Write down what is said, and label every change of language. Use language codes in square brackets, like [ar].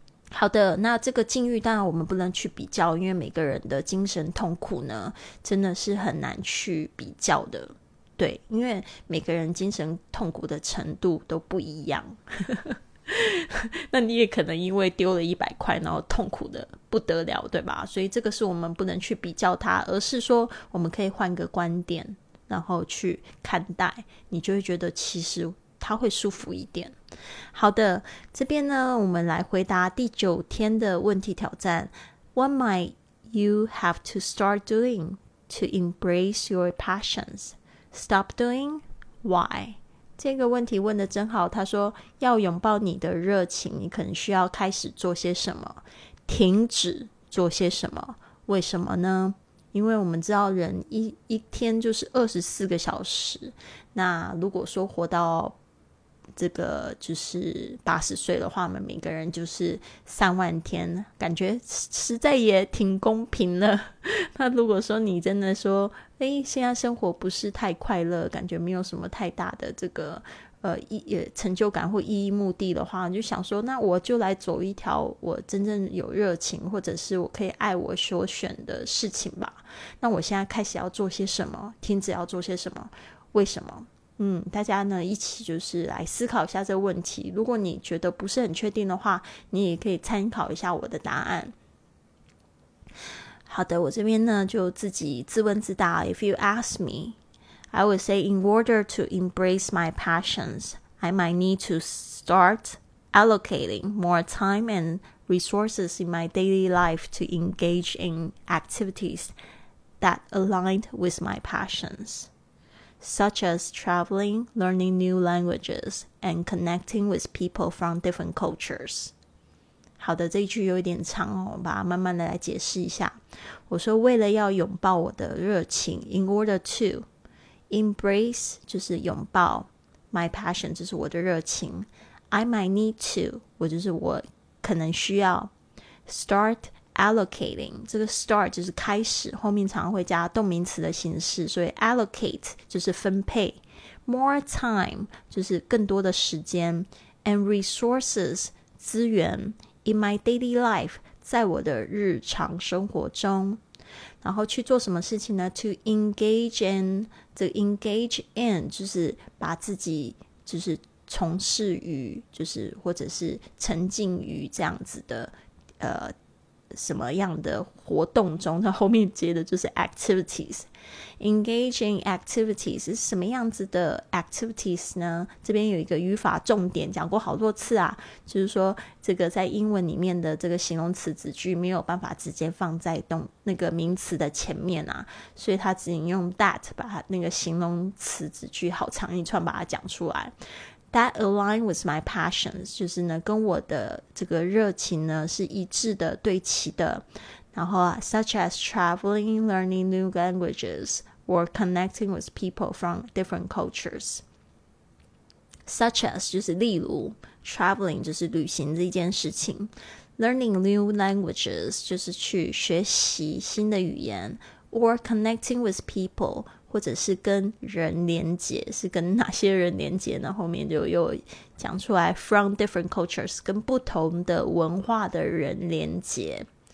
[zh] 好的，那这个境遇当然我们不能去比较，因为每个人的精神痛苦呢真的是很难去比较的，对，因为每个人精神痛苦的程度都不一样那你也可能因为丢了100块然后痛苦的不得了，对吧？所以这个是我们不能去比较它，而是说我们可以换个观点然后去看待，你就会觉得其实它会舒服一点。好的，这边呢我们来回答第九天的问题挑战。 [en] What might you have to start doing to embrace your passions? Stop doing? Why? [zh] 这个问题问得真好，他说要拥抱你的热情，你可能需要开始做些什么，停止做些什么，为什么呢？因为我们知道人 一天就是24个小时，那如果说活到这个就是80岁的话，我们每个人就是30000天，感觉实在也挺公平了。那如果说你真的说哎，现在生活不是太快乐，感觉没有什么太大的这个成就感或意义目的的话，你就想说那我就来走一条我真正有热情或者是我可以爱我所选的事情吧。那我现在开始要做些什么，停止要做些什么，为什么？大家呢一起就是来思考一下这个问题，如果你觉得不是很确定的话，你也可以参考一下我的答案。好的，我这边呢就自己自问自答。 [en] If you ask me, I would say in order to embrace my passions, I might need to start allocating more time and resources in my daily life to engage in activities that aligned with my passions. Such as traveling, learning new languages, and connecting with people from different cultures. [zh] 好的，这一句有一点长哦，我把它慢慢的来解释一下。我说为了要拥抱我的热情 ， [en] in order to embrace [zh] 就是拥抱 [en] my passion [zh] 就是我的热情。 [en] I might need to [zh] 我就是我可能需要 [en] start. [zh] Allocating 这个 start 就是开始，后面常会加动名词的形式，所以 allocate 就是分配 [en] more time [zh] 就是更多的时间 [en] and resources [zh] 资源 [en] in my daily life [zh] 在我的日常生活中，然后去做什么事情呢？ [en] To engage in [zh] 这个 engage in 就是把自己就是从事于就是或者是沉浸于这样子的什么样的活动中，它后面接的就是 activities。 [en] Engaging activities [zh] 是什么样子的 activities 呢？这边有一个语法重点，讲过好多次啊，就是说这个在英文里面的这个形容词子句没有办法直接放在那个名词的前面啊，所以它只能用 that 把那个形容词子句好长一串把它讲出来。 [en] That align with my passions [zh] 就是呢跟我的这个热情呢是一致的，对齐的。然后 [en] such as traveling, learning new languages, or connecting with people from different cultures. [zh] Such as, 就是例如 traveling 就是旅行这件事情 [en] learning new languages [zh] 就是去学习新的语言 [en] or connecting with people [zh] 或者是跟人连接是跟哪些人连接呢后面就又讲出来 [en] from different cultures [zh] 跟不同的文化的人连接